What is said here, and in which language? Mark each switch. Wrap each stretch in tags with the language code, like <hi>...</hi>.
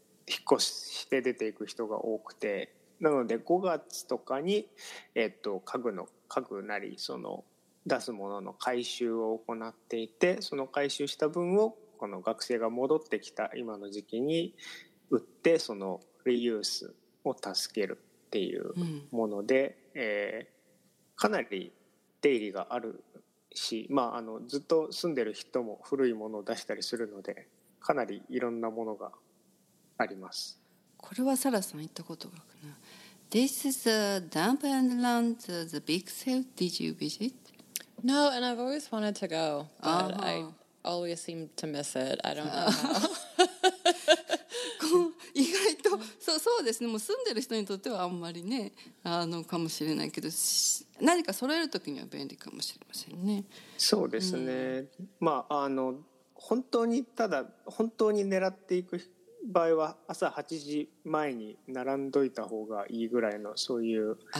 <ja>引っ越して出ていく人が多くて、なので5月とかに、家具なりその出すものの回収を行っていて、その回収した分をこの学生が戻ってきた今の時期に売ってそのリユースを助けるっていうもので、うん、かなり出入りがあるし、まあ、あのずっと住んでる人も古いものを出したりするので、かなりいろんなものがあります。これはサラさん言ったことがあるな。</ja> <en>This is a dump and land, the big sale. Did you visit? No, and I've always wanted to go, but I always seem to miss it. I don't know how.</en> <ja>意外と、そうですね、もう住んでる人にとってはあんまりね、あのかもしれないけど、何か揃えるときには便利かもしれませんね。そうですね、まあ、あの本当にただ本当に狙っていく場合は朝8時前に並んどいた方がいいぐらいの、そういう、</ja>